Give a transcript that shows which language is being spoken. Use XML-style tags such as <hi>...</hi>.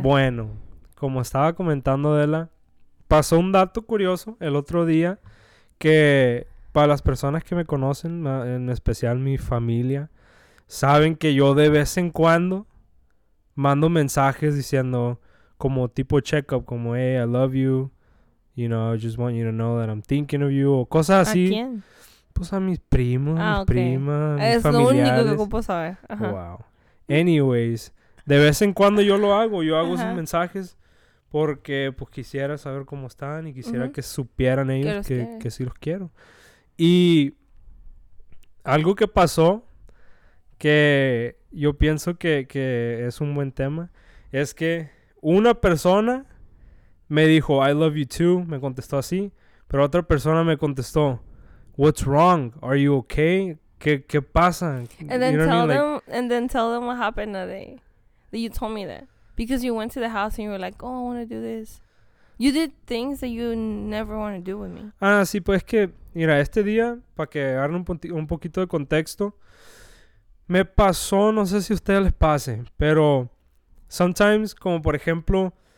<es>Bueno, como estaba comentando Adela, pasó un dato curioso el otro día que para las personas que me conocen, en especial mi familia, saben que yo de vez en cuando mando mensajes diciendo como tipo check-up, como</es> <en>hey, I love you. You know, I just want you to know that I'm thinking of you.</en> <es>O cosas así. ¿A quién? Pues a mis primos, mis primas, mis familiares. Es lo único que ocupo saber. Ajá. Wow. Anyways, de vez en cuando yo lo hago. Yo hago esos mensajes porque pues quisiera saber cómo están y quisiera que supieran ellos que sí los quiero. Y algo que pasó que yo pienso que es un buen tema es que una persona... Me dijo,</es> <en>I love you too.</en> <es>Me contestó así. Pero otra persona me contestó,</es> <en>what's wrong? Are you okay?</en> <es>¿Qué pasa?</es> <en>And then tell them what happened that you told me that. Because you went to the house and you were like, oh, I want to do this. You did things that you never want to do with me.</en> <es>Ah, sí, pues es que, mira, este día, para que agarren un poquito de contexto, me pasó, no sé si a ustedes les pase, pero sometimes, como por ejemplo...</es>